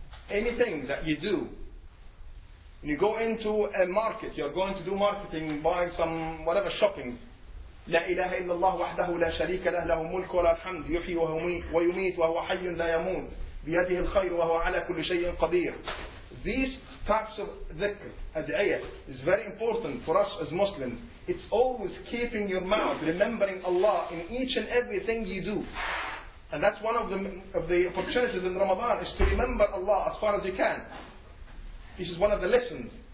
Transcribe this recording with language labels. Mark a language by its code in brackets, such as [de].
[en] Anything that you do. When you go into a market, you're going to do marketing, buying some whatever shopping. [ar] لا إله إلا الله وحده لا شريك له له ملك ولا الحمد يحيي ويميت وهو حي لا يموت بيده الخير وهو على كل شيء قدير. [en] These types of dhikr, ad'iyah, is very important for us as Muslims. It's always keeping your mouth, remembering Allah in each and everything you do. And that's one of the opportunities in Ramadan, is to remember Allah as far as you can. This is one of the lessons.